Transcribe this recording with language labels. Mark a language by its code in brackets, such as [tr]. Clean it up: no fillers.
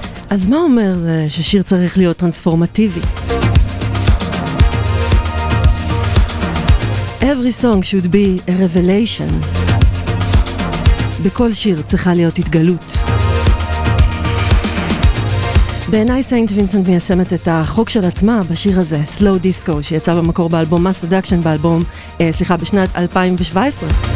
[he] אז מה אומר זה ששיר צריך להיות טרנספורמטיבי? [en] Every song should be a revelation. [he] בכל שיר צריכה להיות התגלות. בעיניי סיינט וינסנט מיישמת את החוק של עצמה בשיר הזה, Slow Disco, שיצא במקור באלבום Mass Seduction באלבום, בשנת 2017.